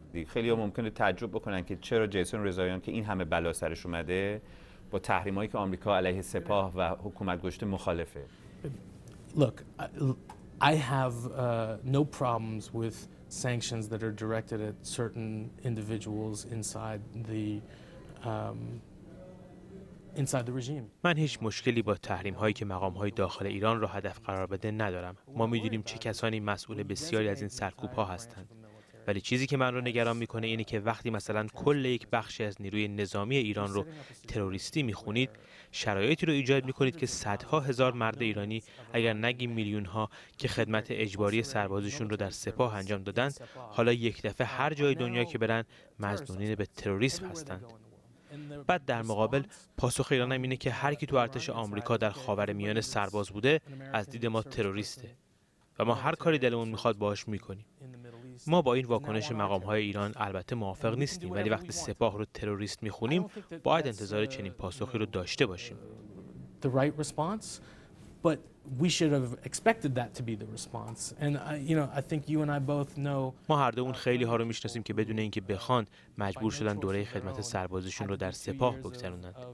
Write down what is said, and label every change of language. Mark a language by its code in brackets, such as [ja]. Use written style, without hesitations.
[fa] خیلی ها ممکنه تعجب بکنن که چرا جیسون رضاییان که این همه بلا سرش اومده با تحریمایی که آمریکا علیه سپاه و حکومت گشته مخالفه. [en] Look, I have no problems with sanctions that are directed at certain individuals inside the inside the regime. [fa] من هیچ مشکلی با تحریم هایی که مقام های داخل ایران را هدف قرار بده ندارم. ما میدونیم چه کسانی مسئول بسیاری از این سرکوب ها هستند. ولی چیزی که من رو نگران میکنه اینه که وقتی مثلا کل یک بخشی از نیروی نظامی ایران رو تروریستی میخونید، شرایطی رو ایجاد میکنید که صدها هزار مرد ایرانی، اگر نگیم میلیون ها، که خدمت اجباری سربازشون رو در سپاه انجام دادن، حالا یک دفعه هر جای دنیا که برن مزنونین به تروریسم هستند. بعد در مقابل پاسخ ایران هم اینه که هر کی تو ارتش آمریکا در خاورمیانه سرباز بوده از دید ما تروریسته و ما هر کاری دلمون میخواد باهاش میکنیم. ما با این واکنش مقام های ایران البته موافق نیستیم، ولی وقتی سپاه رو تروریست میخونیم باید انتظار چنین پاسخی رو داشته باشیم. [en] The right response, but we should have expected that to be the response. And you know, I think you and I both know. [fa] ما هر دومون خیلی ها رو میشناسیم که بدون اینکه بخوان مجبور شدن دوره خدمت سربازیشون رو در سپاه بگذرونن.